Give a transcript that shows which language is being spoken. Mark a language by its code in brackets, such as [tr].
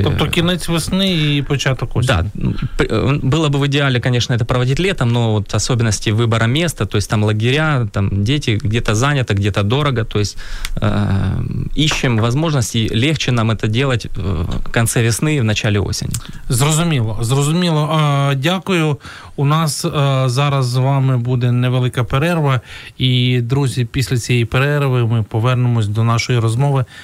[uk] Тобто кінець весни и початок осени. [ru] Да, было бы в идеале, конечно, это проводить летом, но вот особенности выбора места, то есть там лагеря, там дети где-то заняты, где-то дорого, то есть ищем возможности, легче нам это делать в конце весны и в начале осени. [uk] Зрозуміло, зрозуміло. Дякую. У нас зараз з вами буде невелика перерва, і, друзі, після цієї перерви ми повернемось до нашої розмови.